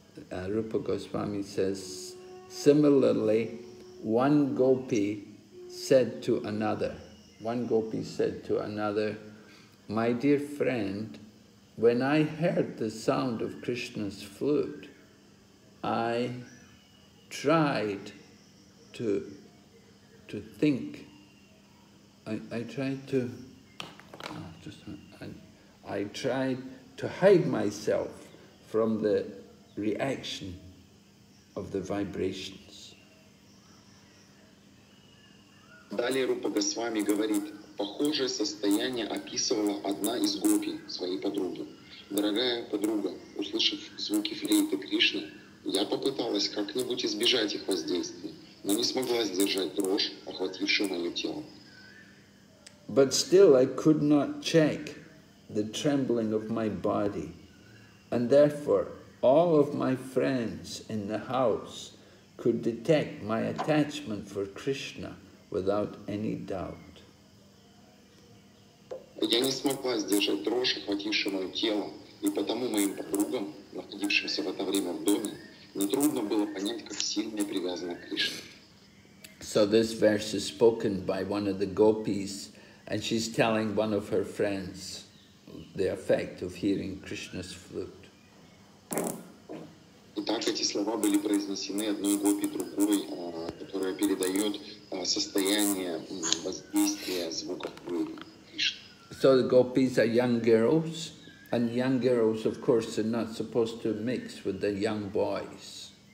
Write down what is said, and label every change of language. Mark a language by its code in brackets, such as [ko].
[en] Rupa Goswami says, similarly, one gopi said to another, my dear friend, when I heard the sound of Krishna's flute, I tried to think, I tried to hide myself from the reaction of the vibrations. [ru] Далее Рупа Госвами говорит, похожее состояние описывала одна из гопи своей подруги. Дорогая подруга, услышав звуки флейты Кришны, я попыталась как-нибудь избежать их воздействия, но не смогла сдержать дрожь, охватившую мое тело. [en] But still I could not check the trembling of my body, and therefore all of my friends in the house could detect my attachment for Krishna without any doubt. [ru] Я не смогла сдержать дрожь, охватившую мое тело, И потому моим подругам, находившимся в это время в доме, нетрудно было понять, как сильно я привязана к Кришне. [en] So this verse is spoken by one of the gopis, and she's telling one of her friends the effect of hearing Krishna's flute. [ru] Итак, эти слова были произнесены одной гопи другой, которая передает состояние воздействия звуков Кришны. [en] So the gopis are young girls, and young girls, of course, are not supposed to mix with the young boys.